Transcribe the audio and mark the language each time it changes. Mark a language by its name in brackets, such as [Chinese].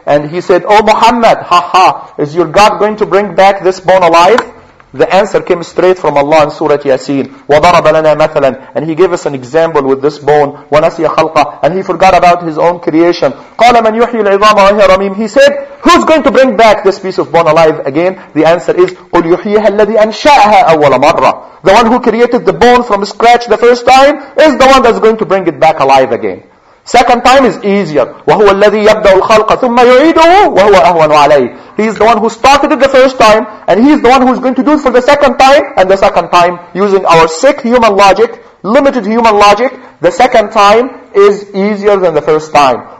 [English] And he said, "Oh Muhammad, is your God going to bring back this bone alive?" The answer came straight from Allah in Surah Yasin. [Arabic] وَضَرَبَ لَنَا مَثَلًا. [English] And He gave us an example with this bone. [Arabic] وَنَسِيَ خَلْقَهُ. [English] And He forgot about His own creation. [Arabic] قَالَ مَنْ يُحْيِي الْعِظَامَ وَهِيَ رَمِيمٌ. [English] He said, who's going to bring back this piece of bone alive again? The answer is, [Arabic] قُلْ يُحْيِيهَا الَّذِي أَنْشَأَهَا أَوَّلَ مَرَّةٍ. [English] The one who created the bone from scratch the first time is the one that's going to bring it back alive again. Second time is easier. [Arabic] وَهُوَ الَّذِي يَبْدَأُ الْخَلْقَ ثُمَّ يُعِيدُهُ وَهُوَ أَهْوَنُ عَلَيْهِ. [English] He is the one who started it the first time, and he is the one who is going to do it for the second time. And the second time, using our sick human logic, limited human logic, the second time is easier than the first time.